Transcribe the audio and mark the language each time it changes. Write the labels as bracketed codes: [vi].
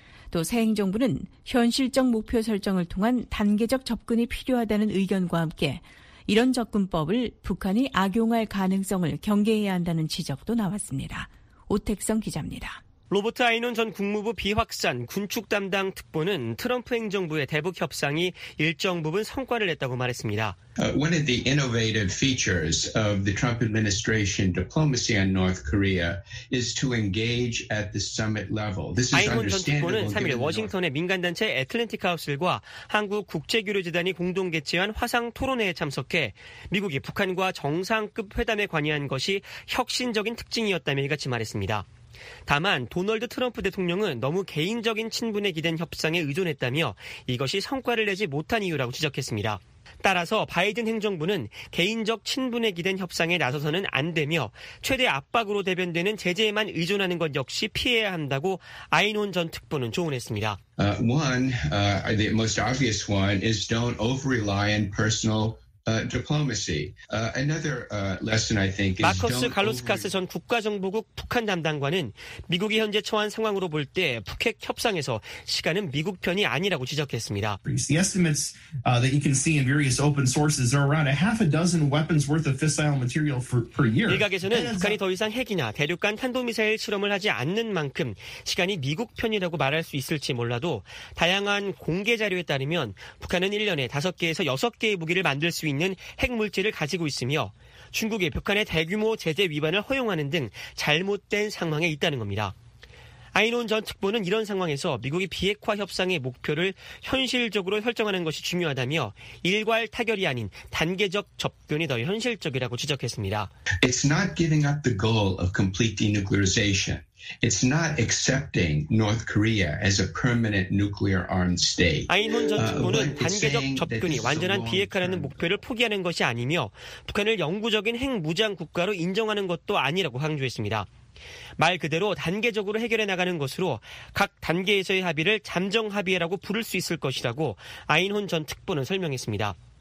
[ko] 또 새 행정부는 현실적 목표 설정을 통한 단계적 접근이 필요하다는 의견과 함께 이런 접근법을 북한이 악용할 가능성을 경계해야 한다는 지적도 나왔습니다. 오택성 기자입니다. 로버트 아이논 전 국무부 비확산 군축 담당 특보는 트럼프 행정부의 대북 협상이 일정 부분 성과를 냈다고 말했습니다. [en] One of the innovative features of the Trump administration diplomacy on North Korea is to engage at the summit level. This is understandable. [ko] 아이논 전 특보는 3일 워싱턴의 민간단체 애틀랜틱 하우스와 한국 국제교류재단이 공동 개최한 화상 토론회에 참석해 미국이 북한과 정상급 회담에 관여한 것이 혁신적인 특징이었다며 이같이 말했습니다. 다만 도널드 트럼프 대통령은 너무 개인적인 친분에 기댄 협상에 의존했다며 이것이 성과를 내지 못한 이유라고 지적했습니다. 따라서 바이든 행정부는 개인적 친분에 기댄 협상에 나서서는 안 되며 최대 압박으로 대변되는 제재에만 의존하는 것 역시 피해야 한다고 아이논 전 특보는 조언했습니다. [en] The most obvious one is don't over-rely on personal diplomacy. Lesson I think is [ko] 마커스 갈로스카스 전 국가정보국 북한 담당관은 미국이 현재 처한 상황으로 볼 때 북핵 협상에서 시간은 미국 편이 아니라고 지적했습니다. [en] The estimates that you can see in various open sources are around a half a dozen weapons worth of fissile material per year. [ko] 일각에서는 북한이 더 이상 핵이나 대륙간 탄도미사일 실험을 하지 않는 만큼 시간이 미국 편이라고 말할 수 있을지 몰라도 다양한 공개 자료에 따르면 북한은 1년에 5개에서 6개의 무기를 만들 수 있는 핵물질을 가지고 있으며 중국이 북한의 대규모 제재 위반을 허용하는 등 잘못된 상황에 있다는 겁니다. 아이논 전 특보는 이런 상황에서 미국이 비핵화 협상의 목표를 현실적으로 설정하는 것이 중요하다며 일괄 타결이 아닌 단계적 접근이 더 현실적이라고 지적했습니다. [en] It's not giving up the goal of complete denuclearization. It's not accepting North Korea as a permanent nuclear armed state. [ko] 아이논 전 특보는 단계적 접근이 완전한 비핵화라는 목표를 포기하는 것이 아니며 북한을 영구적인 핵무장 국가로 인정하는 것도 아니라고 강조했습니다. 말 그대로 단계적으로 해결해 나가는 것으로 각 단계에서의 합의를 잠정 합의라고 부를 수 있을 것이라고 아인혼 전 특보는 설명했습니다.